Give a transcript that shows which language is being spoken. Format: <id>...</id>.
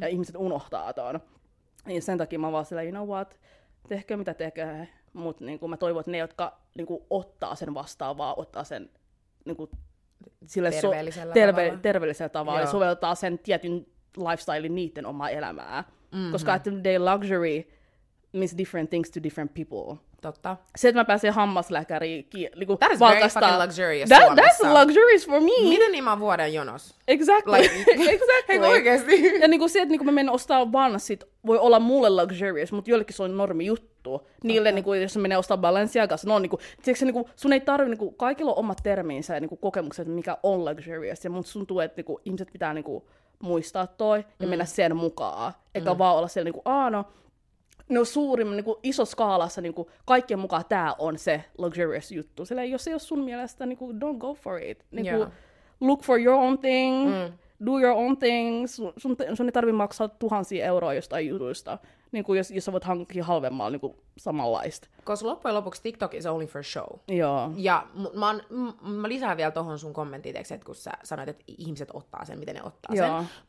<fi>Ja ihmiset unohtaa ton. Ja sen takia mä vaan silleen,</fi> <en>you know what,</en> <fi>tehkö mitä tekee. Mutta niinku, mä toivon, että ne, jotka niinku, ottaa sen vastaan, vaan ottaa sen niinku, sille terveellisellä tavalla. Ja soveltaa sen tietyn lifestylein niiden omaa elämää. Koska</fi> <en>at the day luxury means different things to different people.</en> <fi>Totta. Se, että mä pääsen hammaslääkäriin niinku,</fi> <en>that is</en> <fi>valkasta,</fi> <en>very fucking luxurious that,</en> <fi>Suomessa.</fi> <en>That's luxurious for me.</en> <fi>Miten niin mä oon vuoden jonos?</fi> <en>Exactly. Like, exactly.</en> <fi>Oikeesti. Ja niinku, se, että niinku, mä menen ostaa vanssit, voi olla mulle luxurious, mutta joillekin se on normi juttu. Niille, niin kuin, jos menee ostamaan Balenciagassa, no niin kuin, tiedätkö, niin kuin, sun ei tarvitse, niin kaikilla on omat terminsä ja niin kuin, kokemukset, mikä on luxurious, ja mutta sun tuntuu, että niin kuin, ihmiset pitää niin kuin, muistaa toi ja mennä sen mukaan, eikä vaan olla siellä, että niin no, ne on suurimman, niin iso skaalassa, niin kuin, kaikkien mukaan tämä on se luxurious juttu. Sillä, jos ei ole sun mielestä, niin kuin,</fi> <en>don't go for it. Niin kuin, look for your own thing, do your own thing.</en> <fi>Sun ei tarvitse maksaa tuhansia euroa jostain jutuista. Niin kuin jos sä voit hankkia halvemmalla niin samanlaista. Koska loppujen lopuksi</fi> <en>TikTok is only for show.</en> <fi>Joo. Ja mä lisään vielä tohon sun kommenttiteksi, että kun sä sanoit, että ihmiset ottaa sen, miten ne ottaa joo. sen.</fi>